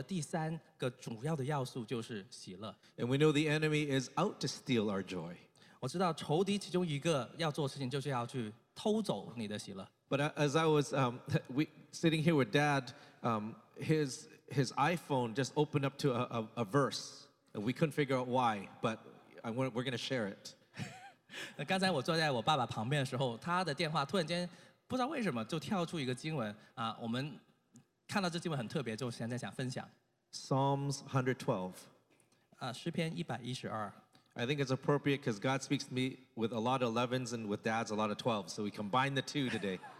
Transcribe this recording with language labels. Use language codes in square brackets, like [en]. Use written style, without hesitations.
[zh] 然后呢，有时候当我们回到教会当中的时候，我们有时候会忘了天国的第三个主要的要素就是喜乐。 [en] And we know the enemy is out to steal our joy. [zh] 我知道仇敌其中一个要做的事情就是要去偷走你的喜乐。 [en] But as I was sitting here with Dad, his iPhone just opened up to a verse, and we couldn't figure out why, but we're going to share it. [zh] 刚才我坐在我爸爸旁边的时候，他的电话突然间不知道为什么就跳出一个经文，我们看到这经文很特别，就现在想分享。 [en] Psalms 112. [zh] 诗篇112. [en] I think it's appropriate because God speaks to me with a lot of 11s and with Dad's a lot of 12s, so we combine the two today.